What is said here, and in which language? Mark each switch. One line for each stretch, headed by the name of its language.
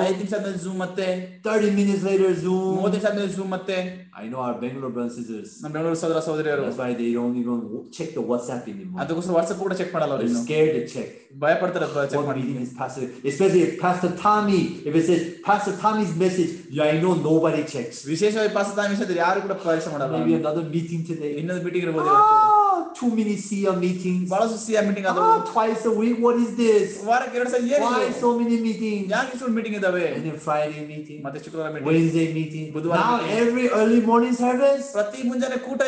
English: 5 minutes zoom ಮತ್ತೆ 30 minutes later zoom. 30 minutes zoom ಮತ್ತೆ. I know our Bangalore brothers and sisters.
Kannada: ನಮ್ಮ ಬೆಂಗಳೂರು ಸಹೋದರ ಸಹೋದರಿಯರು.
English: That's why they don't even check the WhatsApp anymore.
Kannada: ಅದಕ್ಕೋಸ್ಕರ WhatsApp ಕೂಡ check ಮಾಡಲ್ಲ ಅವರು.
English: They're scared to check.
Kannada: ಭಯಪಡ್ತಾರೆ ಅಥವಾ ಚೆಕ್ ಮಾಡಿ.
English: Especially Pastor Tommy. If it says Pastor Tommy's message, I know nobody checks.
Kannada: ವಿಶೇಷವಾಗಿ ಪಾಸ್ಟರ್ ತಾಮಿ ಸದ್ರೆ ಯಾರು ಕೂಡ ಪರೀಕ್ಷೆ ಮಾಡಲ್ಲ.
English: Maybe another meeting today.
Kannada: ಇನ್ನೊಂದು ಮೀಟಿಂಗ್ ಇರಬಹುದು.
English: Too many CEO meetings.
Kannada: ಬಹಳ CEO meeting.
English: ಅದು twice a week. What is this?
Kannada: ವಾರಕ್ಕೆ ಎರಡು ಸಲ ಏನು?
English: Why so many meetings?
Kannada: ಯಾಕೆ ಇಷ್ಟು ಮೀಟಿಂಗ್ ಇದಾವೆ?
English: And then Friday meeting.
Kannada: ಮತ್ತೆ ಶುಕ್ರವಾರ
English: meeting. Wednesday meeting.
Kannada: ಬುಧವಾರ
English: meeting. Now every early morning service.
Kannada: ಪ್ರತಿ ಮುಂಜಾನೆ ಕೂಟ